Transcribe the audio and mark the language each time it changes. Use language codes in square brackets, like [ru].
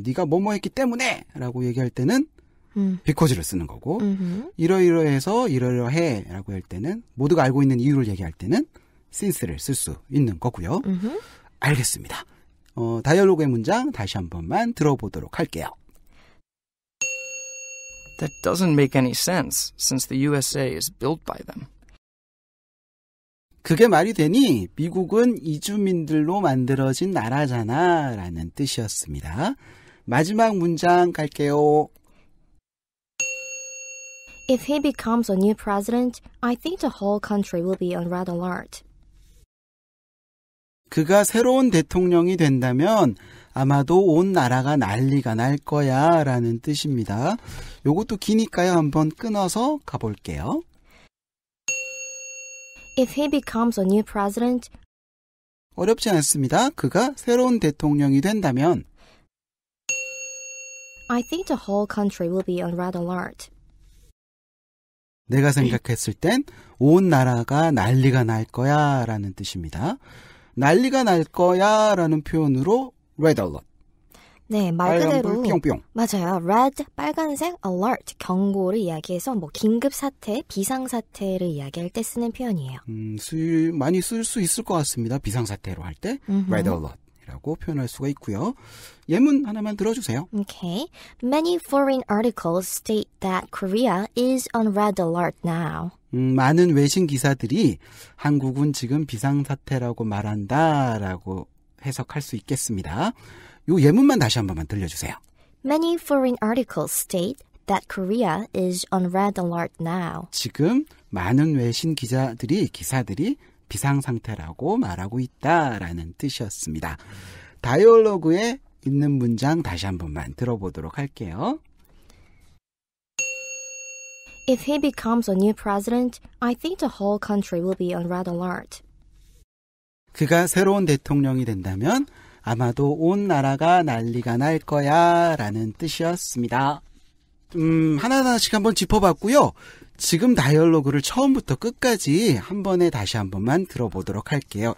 [ko] 네가 뭐뭐 했기 때문에 라고 얘기할 때는 because를 쓰는 거고 이러이러해서 이러이러해 라고 할 때는 모두가 알고 있는 이유를 얘기할 때는 since를 쓸 수 있는 거고요. 알겠습니다. 다이얼로그의 문장 다시 한 번만 들어보도록 할게요. [en] That doesn't make any sense since the USA is built by them. [ko] 그게 말이 되니? 미국은 이주민들로 만들어진 나라잖아 라는 뜻이었습니다. 마지막 문장 갈게요. [en] If he becomes a new president, I think the whole country will be on red alert. [ko] 그가 새로운 대통령이 된다면 아마도 온 나라가 난리가 날 거야 라는 뜻입니다. 요것도 기니까요. 한번 끊어서 가볼게요. [en] If he becomes a new president. [ko] 어렵지 않습니다. 그가 새로운 대통령이 된다면. [en] I think the whole country will be on red alert. [ko] 내가 생각했을 땐 온 나라가 난리가 날 거야 라는 뜻입니다. 난리가 날 거야 라는 표현으로 red alert. 네, 말 그대로 뿅뿅. 맞아요. red 빨간색 alert 경고를 이야기해서 뭐 긴급 사태, 비상 사태를 이야기할 때 쓰는 표현이에요. 많이 쓸 수 있을 것 같습니다. 비상 사태로 할 때 red alert이라고 표현할 수가 있고요. 예문 하나만 들어 주세요. [en] Okay. Many foreign articles state that Korea is on red alert now. [ko] 많은 외신 기사들이 한국은 지금 비상사태라고 말한다라고 해석할 수 있겠습니다. 요 예문만 다시 한 번만 들려주세요. [en] Many foreign articles state that Korea is on red alert now. [ko] 지금 많은 외신 기사들이 비상상태라고 말하고 있다라는 뜻이었습니다. 다이얼로그에 있는 문장 다시 한 번만 들어보도록 할게요. [en] If he becomes a new president, I think the whole country will be on red alert. [ko] 그가 새로운 대통령이 된다면 아마도 온 나라가 난리가 날 거야 라는 뜻이었습니다. 하나하나씩 한번 짚어봤고요. 지금 다이얼로그를 처음부터 끝까지 한 번에 다시 한 번만 들어보도록 할게요.